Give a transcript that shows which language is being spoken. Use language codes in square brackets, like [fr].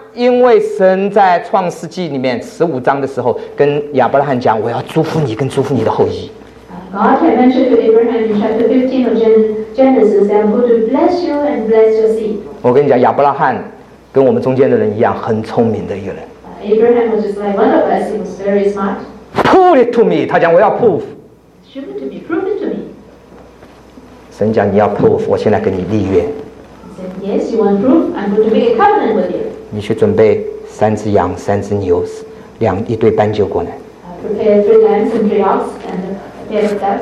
[zh] 因为神在创世纪里面十五章的时候跟亚伯拉罕讲，我要祝福你跟祝福你的后裔。 [en] God had mentioned to Abraham in chapter 15 of Genesis that I'm going to bless you and bless your seed. [zh] 我跟你讲，亚伯拉罕跟我们中间的人一样，很聪明的一个人。 [en] Abraham was just like one of us. He was very smart. Prove it to me. [zh] 他讲我要 [en] prove. Prove it to me. Prove it to me. [zh] 神讲你要 prove， 我现在跟你立约。 [en] He said, "Yes, you want proof? I'm going to make a covenant with you." [zh] 你去准备三只羊、三只牛、一对斑鸠过来。 [en] Prepare three lambs and three ox and Yes,